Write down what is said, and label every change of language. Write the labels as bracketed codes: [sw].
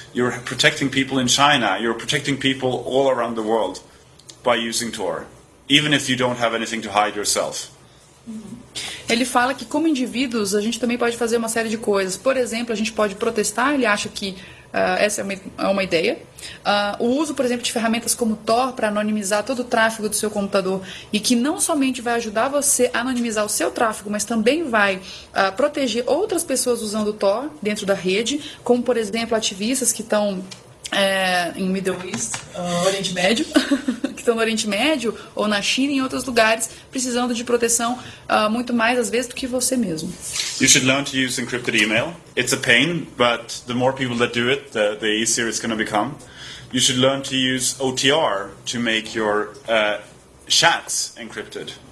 [en] You're protecting people in China. You're protecting people all around the world by using Tor, even if you don't have anything to hide yourself. [pt] Ele fala que como indivíduos a gente também pode fazer uma série de coisas. Por exemplo, a gente pode protestar, ele acha que essa é uma ideia. O uso, por exemplo, de ferramentas como Tor para anonimizar todo o tráfego do seu computador, e que não somente vai ajudar você a anonimizar o seu tráfego, mas também vai proteger outras pessoas usando Tor dentro da rede, como, por exemplo, ativistas que estão em Middle East, Oriente Médio, que estão no Oriente Médio, ou na China e em outros lugares, precisando de proteção muito mais, às vezes, do que você mesmo. [en] You should learn to use encrypted email. It's a pain, but the more people that do it, the easier it's going to become. You should learn to use OTR to make your chats encrypted.